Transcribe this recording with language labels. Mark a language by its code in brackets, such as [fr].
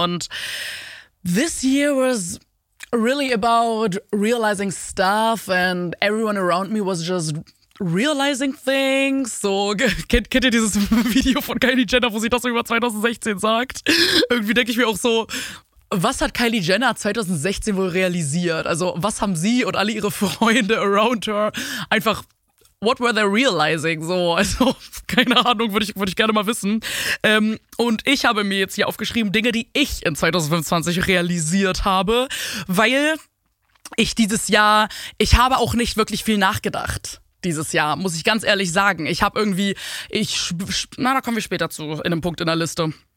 [en] Und this year was really about realizing stuff and everyone around me was just realizing things. [de] So, kennt ihr dieses Video von Kylie Jenner, wo sie das über 2016 sagt? Irgendwie denke ich mir auch so, was hat Kylie Jenner 2016 wohl realisiert? Also, was haben sie und alle ihre Freunde [en] around her [de] einfach, [en] what were they realizing? [de] So, also, keine Ahnung, würde ich gerne mal wissen. Und ich habe mir jetzt hier aufgeschrieben, Dinge, die ich in 2025 realisiert habe, weil ich dieses Jahr, ich habe auch nicht wirklich viel nachgedacht. Dieses Jahr, muss ich ganz ehrlich sagen. Ich habe irgendwie, da kommen wir später zu, in einem Punkt in der Liste.